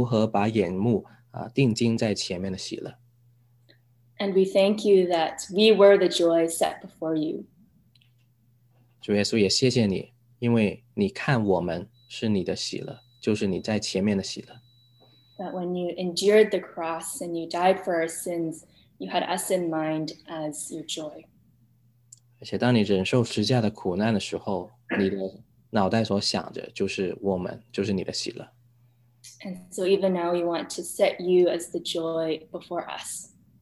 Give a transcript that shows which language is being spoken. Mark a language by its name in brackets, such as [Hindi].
[Chinese] 耶稣，我们感谢你，你成为我们的信心创始成终者，而且你成为我们的榜样，告诉我们如何把眼目定睛在前面的喜乐。 [English] And we thank you that we were the joy set before you. [Chinese] 主耶稣，也谢谢你，因为你看我们。是你的喜乐, [English] that when you endured the cross and you died for our sins, you had us in mind as your joy. [Chinese] 而且当你忍受十字架的苦难的时候, 你的脑袋所想着就是我们, 就是你的喜乐。 [English] And so even now we want to set you as the joy before us.